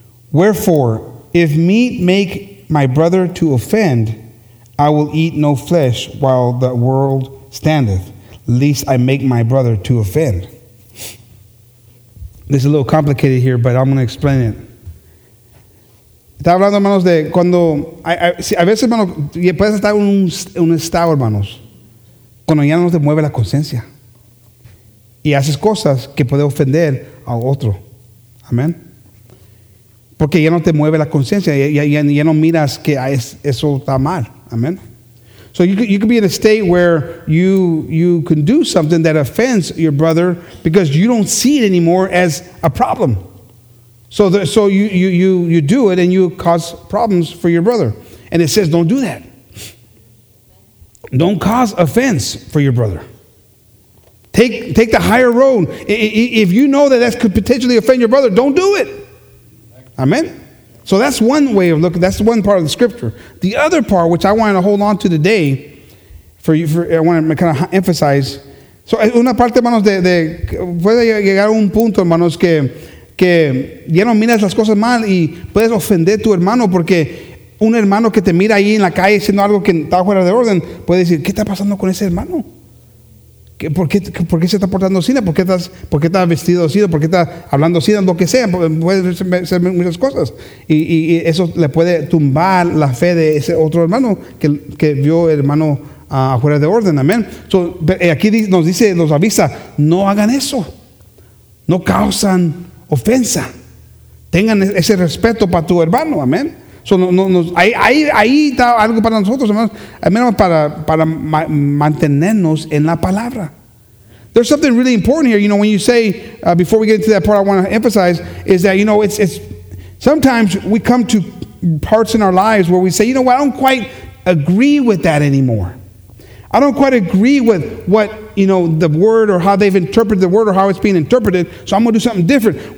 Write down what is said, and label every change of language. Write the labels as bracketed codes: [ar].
[en] Wherefore, if meat make my brother to offend, I will eat no flesh while the world standeth, lest I make my brother to offend. This is a little complicated here, but I'm going to explain it. [es] Está hablando, hermanos, de cuando a veces, hermanos, puedes estar en un estado, hermanos, cuando ya no te mueve la conciencia y haces cosas que puede ofender a otro. Amén. Porque ya no te mueve la conciencia. Ya no miras que eso está mal. Amén. [en] So you could be in a state where you can do something that offends your brother because you don't see it anymore as a problem. So you do it and you cause problems for your brother. And it says don't do that. Don't cause offense for your brother. Take the higher road. If you know that that could potentially offend your brother, don't do it. Amen? So that's one way of looking. That's one part of the scripture. The other part, which I want to hold on to today, I want to kind of emphasize. [es] So una parte, hermanos, de puede llegar a un punto, hermanos, que ya no miras las cosas mal y puedes ofender tu hermano porque un hermano que te mira ahí en la calle haciendo algo que está fuera de orden puede decir, ¿qué está pasando con ese hermano? ¿Por qué se está portando así? ¿Por qué está vestido así? ¿Por qué está hablando así? Lo que sea, puede ser muchas cosas. Y eso le puede tumbar la fe de ese otro hermano que vio el hermano afuera de orden, amén. So, aquí nos dice, nos avisa, no hagan eso, no causan ofensa, tengan ese respeto para tu hermano, amén. So, ahí está algo para nosotros, hermanos, para mantenernos en la palabra. [en] There's something really important here, you know, when you say, before we get into that part, I want to emphasize, is that, you know, it's sometimes we come to parts in our lives where we say, you know what, I don't quite agree with that anymore. I don't quite agree with what, you know, the word or how they've interpreted the word or how it's being interpreted, so I'm going to do something different.